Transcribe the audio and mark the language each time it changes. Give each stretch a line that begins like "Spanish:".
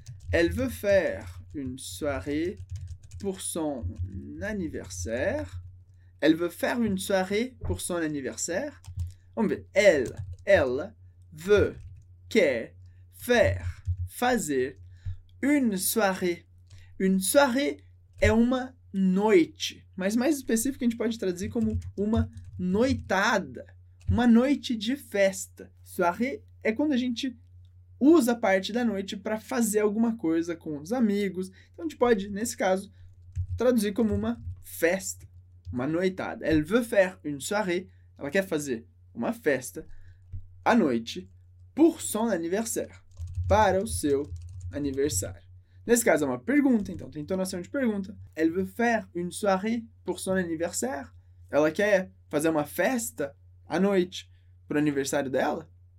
French: Elle veut faire une soirée pour son anniversaire. Elle veut faire une soirée pour son anniversaire.
Portuguese: Vamos ver.
French: Elle, elle veut, quer, faire, fazer, une soirée. Une soirée
Portuguese: é uma noite. Mas mais específico, a gente pode traduzir como uma noitada. Uma noite de festa. Soirée é quando a gente usa parte da noite para fazer alguma coisa com os amigos. Então, a gente pode, nesse caso, traduzir como uma festa, uma noitada.
French: Elle veut faire une soirée.
Portuguese: Ela quer fazer uma festa à noite
French: pour son anniversaire,
Portuguese: para o seu aniversário. Nesse caso, é uma pergunta, então tem entonação de pergunta.
French: Elle veut faire une soirée pour son anniversaire.
Portuguese: Ela quer fazer uma festa à noite para o aniversário dela?